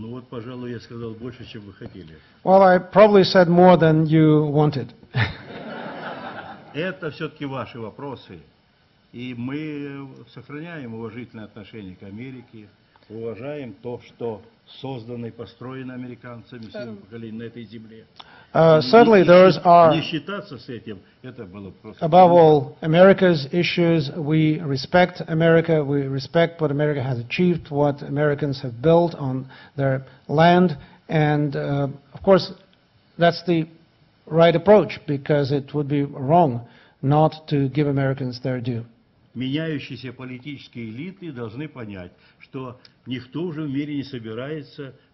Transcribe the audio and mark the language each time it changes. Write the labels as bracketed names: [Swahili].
[Russian] Пожалуй, я сказал больше, чем вы хотели. [English] Well, I probably said more than you wanted. [Russian] Это все-таки ваши вопросы. И мы сохраняем уважительное отношение к Америке, уважаем то, что создано и построено американцами всем поколением на этой земле. [English] Certainly, those are... [Russian] Не считаться с этим, это было просто... [English] Above all, America's issues, we respect America, we respect what America has achieved, what Americans have built on their land, and, of course, that's the right approach, because it would be wrong not to give Americans their due. [Russian] Меняющиеся политические элиты должны понять, что никто уже в мире не собирается...